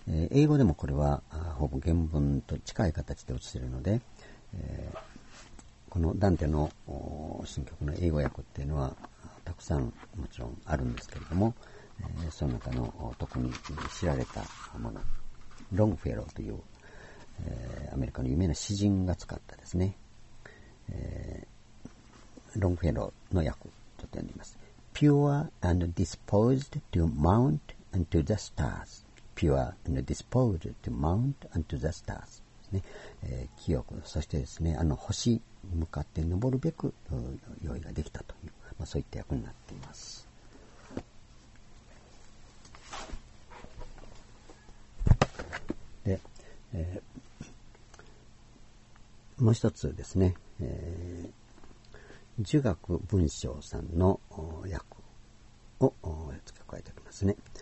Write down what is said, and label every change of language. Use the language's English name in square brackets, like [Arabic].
[Japanese] 英語でもこれはほぼ原文と近い形で落ちているので、このダンテの新曲の英語訳っていうのはたくさんもちろんあるんですけれども、その中の特に知られたもの、ロングフェローという、アメリカの有名な詩人が使ったですね、ロングフェローの訳ちょっと読んでみます。 [English] Pure and disposed to mount unto the starsPure and disposed to mount unto the stars. [Japanese] ですね。清く、そしてですね、あの星に向かって登るべく用意ができたという、まあ、そういった役になっています。で、もう一つですね、儒学文章さんの訳を付け加えておきますね。